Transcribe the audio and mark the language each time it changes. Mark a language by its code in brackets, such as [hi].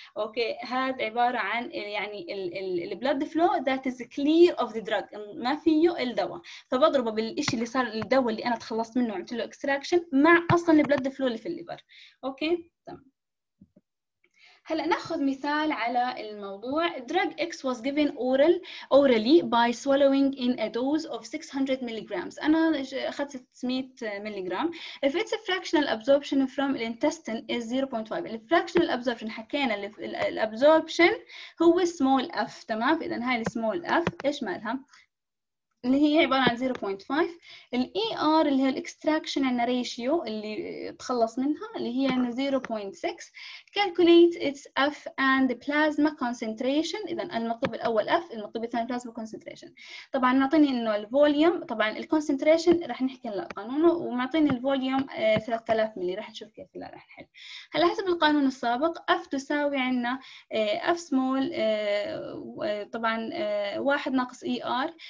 [ar] اوكي، هذا عباره عن يعني [en] البلاد فلو that is clear of the drug, [ar] ما فيه الدواء، فبضربه بالشيء اللي صار الدواء اللي انا تخلصت منه عملت له اكستراكشن مع اصلا البلد فلو اللي في الليفر. اوكي تمام. هلا ناخذ مثال على الموضوع. [en] drug x was given orally by swallowing in a dose of 600 milligrams. [ar] انا اخذت 600 مللغرام. [en] if its fractional absorption from the intestine is 0.5. [ar] الفراكشنال ابزوربشن حكينا الابزوربشن هو سمول اف، تمام. اذا هاي السمول اف ايش مالها؟ اللي هي عبارة عن 0.5. الـ ER اللي هي الـ Extraction and Ratio اللي تخلص منها اللي هي 0.6. [en] Calculate its F and the Plasma Concentration. [ar] إذا المطلوب الأول F، المطلوب الثاني Plasma Concentration. طبعا معطيني إنه الـ Volume، طبعا الـ Concentration رح نحكي لها قانونه، ومعطيني الـ Volume 3000 ملي، رح نشوف كيف لا رح نحل. هلا حسب القانون السابق F تساوي عنا F small طبعا 1 ناقص ER.